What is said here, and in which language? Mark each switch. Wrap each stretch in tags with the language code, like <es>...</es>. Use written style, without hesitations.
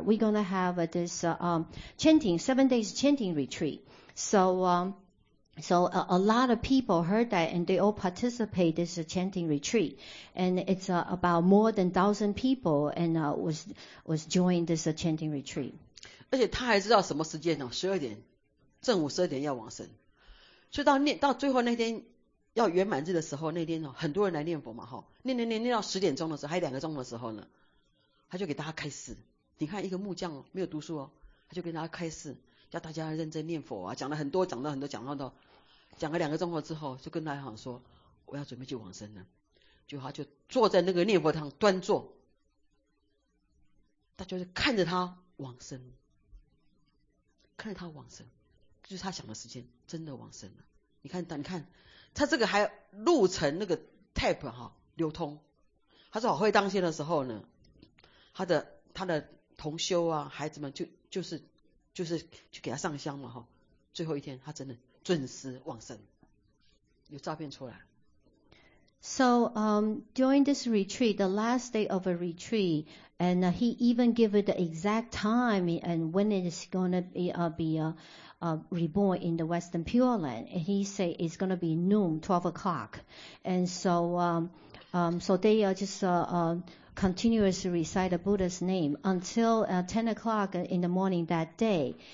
<en>We're going to have this chanting, 7 days chanting retreat. So a lot of people heard that and they all participate this chanting retreat. And it's about more than 1,000 people and was joined this chanting retreat.</en> <zh>而且他还知道什么时间呢？十二点，正午十二点要往生。所以到最后那天要圆满日的时候，那天很多人来念佛嘛，念到10点钟的时候，还有2个钟的时候呢，他就给大家开示。你看一个木匠没有读书哦，他就给大家开示。叫大家认真念佛啊，讲了很多，讲了很多，讲到讲了2个钟头之后，就跟大家讲说，我要准备去往生了。就他就坐在那个念佛堂端坐，他就是看着他往生，看着他往生，就是他想的时间真的往生了。你看，他这个还录成那个 tape 哈、流通。他说法会当天的时候呢，他的同修啊，孩子们就是去给他上香嘛，最后一天他真的准时往生，有照片出来。</zh> <en>So during this retreat, the last day of a retreat, and he even gave it the exact time and when it is going to be reborn in the Western Pure Land. And he said it's going to be noon, 12 o'clock, and so they are just continuously recite the Buddha's name until 10 o'clock in the morning that day.</en>